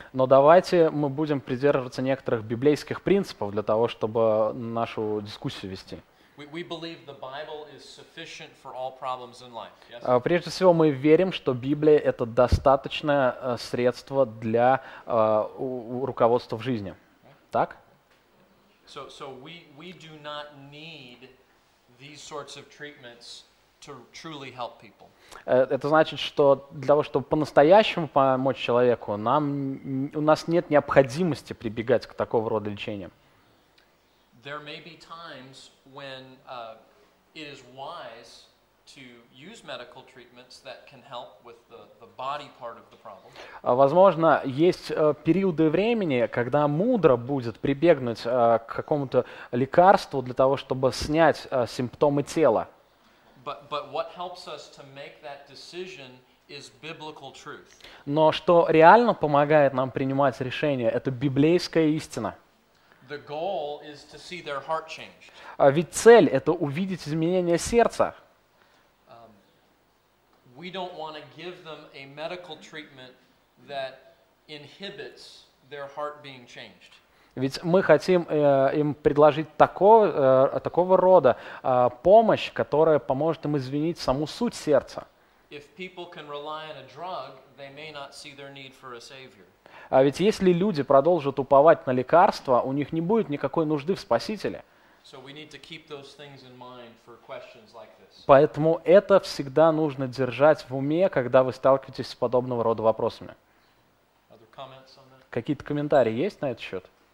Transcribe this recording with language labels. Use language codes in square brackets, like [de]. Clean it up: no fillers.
[ru] Но давайте мы будем придерживаться некоторых библейских принципов для того, чтобы нашу дискуссию вести. [en] We believe the Bible is sufficient for all problems in life. Yes? [ru] Прежде всего, мы верим, что Библия — это достаточное средство для руководства в жизни. [en] Okay. [ru] Так? [en] So we do not need these sorts of treatments to truly help people. [ru] Это значит, что для того, чтобы по-настоящему помочь человеку, у нас нет необходимости прибегать к такого рода лечениям. [en] There may be times when it is wise to use medical treatments that can help with the body part of the problem. [ru] Возможно, есть периоды времени, когда мудро будет прибегнуть к какому-то лекарству для того, чтобы снять симптомы тела. [en] But what helps us to make that decision is biblical truth. [ru] Но что реально помогает нам принимать решение, это библейская истина. [en] The goal is to see their heart change. [ru] Ведь цель — это увидеть изменение сердца. [en] We don't want to give them a medical treatment that inhibits their heart being changed. [ru] Ведь мы хотим им предложить такого рода помощь, которая поможет им изменить саму суть сердца. [en] If people can rely on a drug, they may not see their need for a savior. [ru] А ведь если люди продолжат уповать на лекарства, у них не будет никакой нужды в спасителе. [en] So we need to keep those things in mind for questions like this. [ru] Поэтому это всегда нужно держать в уме, когда вы сталкиваетесь с подобного рода вопросами. [en] Other comments on that? [ru] Какие-то комментарии есть на этот счет?